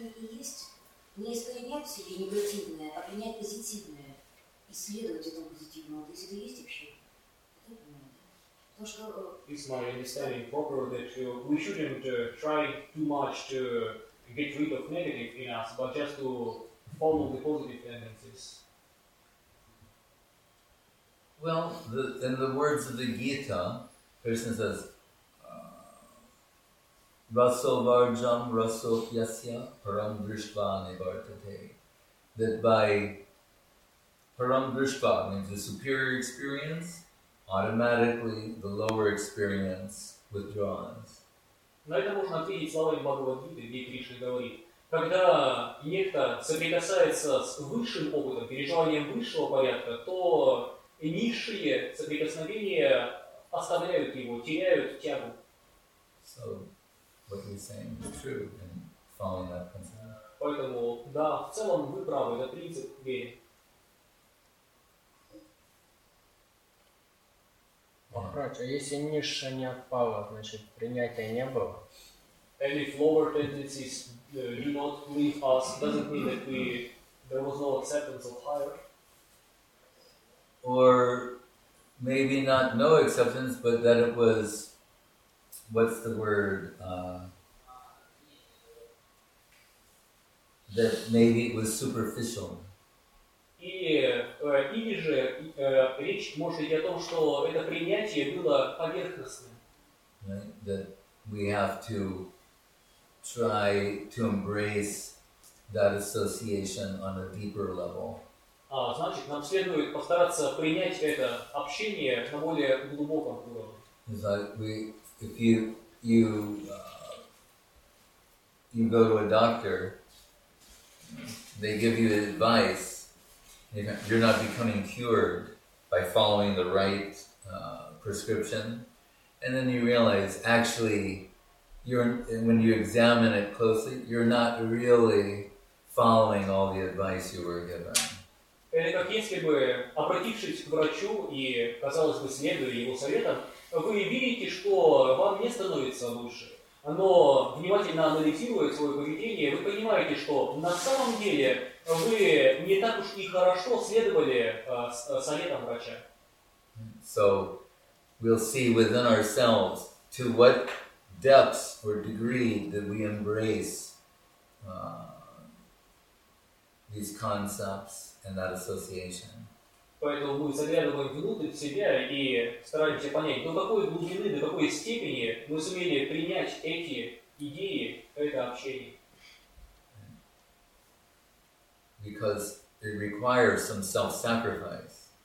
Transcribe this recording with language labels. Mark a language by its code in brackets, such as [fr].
[ru] Есть не искоренять в себе негативное, а принять позитивное, исследовать этому позитивному. Вот если это есть общение, то я понимаю, да? То, что... [en] Is my understanding proper that we shouldn't try too much to get rid of negative in us, but just to follow the positive tendencies? Well, in the words of the Gita, Krishna says, [sa] Raso varjam raso yasya param drishva nevartate. [en] That by param drishva, means the superior experience, automatically the lower experience withdraws. [ru] На это можно ответить словами Бхагавад-гиты, где Кришна говорит, когда некто соприкасается с высшим опытом, переживанием высшего порядка, то низшие соприкосновения оставляют его, теряют тягу. [en] So, what you're saying is true in following that principle. [ru] Поэтому, да, в целом вы правы, это принцип веры. Махарадж, а если ниша не отпала, значит принятия не было? [en] And if lower tendencies do not leave us, doesn't mean that there was no acceptance of higher? Or maybe not no acceptance, but that it was, what's the word? That maybe it was superficial. [ru] Или же речь может идти о том, что это принятие было поверхностным. [en] Right? That we have to try to embrace that association on a deeper level. [ru] А, значит, нам следует постараться принять это общение на более глубоком уровне. [en] It's like we, if you go to a doctor, they give you advice. You're not becoming cured by following the right prescription, and then you realize actually, when you examine it closely, you're not really following all the advice you were given. [ru] Это как если бы обратившись к врачу и казалось бы следуя его советам, вы видите, что вам не становится лучше. Но внимательно анализируя свое поведение, вы понимаете, что на самом деле вы не так уж и хорошо следовали советам врача. [en] So, we'll see within ourselves to what depths or degree did we embrace these concepts and that association. [ru] Поэтому мы заглядываем внутрь себя и стараемся понять, до какой глубины, до какой степени мы сумели принять эти идеи, это общение. [en] Because it requires some self-sacrifice.